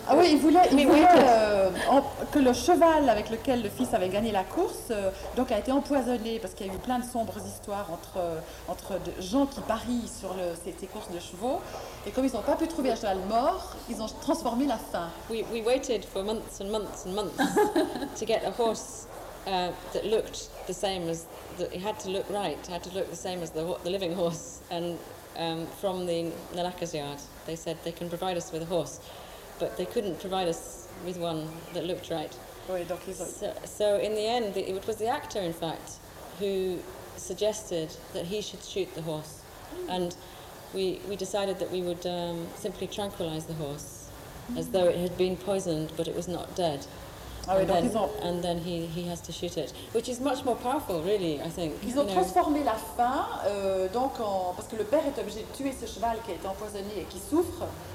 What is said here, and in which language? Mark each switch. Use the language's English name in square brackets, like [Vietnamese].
[French] Ah oui, il voulait, que le cheval avec lequel le fils avait gagné la course donc a été empoisonné parce qu'il y a eu plein de sombres histoires entre de gens qui parient sur ces courses de chevaux. Et comme ils n'ont pas pu trouver un cheval mort, ils ont transformé la fin. [English] We waited for months and months and months to get a horse that looked the same as it had to look right, had to look the same as the living horse. And from the Nalaka's yard, they said they can provide us with a horse, but they couldn't provide us with one that looked right. [French] Oui, donc ils ont... [English] So in the end, it was the actor, in fact, who suggested that he should shoot the horse. Mm. And we decided that we would simply tranquillize the horse, as though it had been poisoned, but it was not dead. [French] Ah oui, donc ils ont... [English] And then he has to shoot it, which is much more powerful, really, I think. [French] Ils ont transformé la fin, donc en... parce que le père est obligé de tuer ce cheval qui a été empoisonné et qui souffre.